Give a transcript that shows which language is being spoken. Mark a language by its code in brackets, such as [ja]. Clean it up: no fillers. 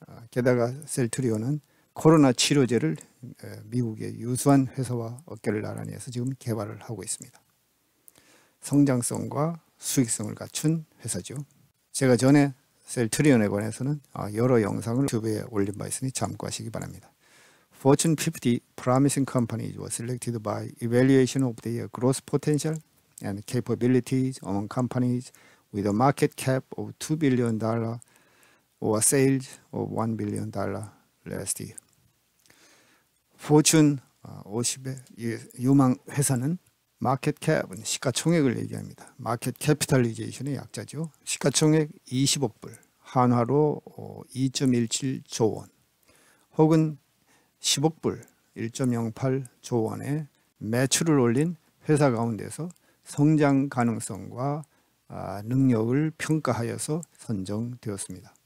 [ko] 게다가 셀트리온은 코로나 치료제를 미국의 유수한 회사와 어깨를 나란히 해서 지금 개발을 하고 있습니다. 성장성과 수익성을 갖춘 회사죠. 제가 전에 셀트리온에 관해서는 여러 영상을 유튜브에 올린 바 있으니 참고하시기 바랍니다. [en] Fortune 50 Promising Companies were selected by evaluation of their growth potential and capabilities among companies with a market cap of $2 billion or sales of $1 billion last year. [ko] 포춘 50의 유망 회사는 마켓캡은 시가총액을 얘기합니다. 마켓 캐피탈리제이션의 약자죠. 시가총액 20억 불, 한화로 2.17조 원, 혹은 10억 불, 1.08조 원의 매출을 올린 회사 가운데서 성장 가능성과 능력을 평가하여서 선정되었습니다.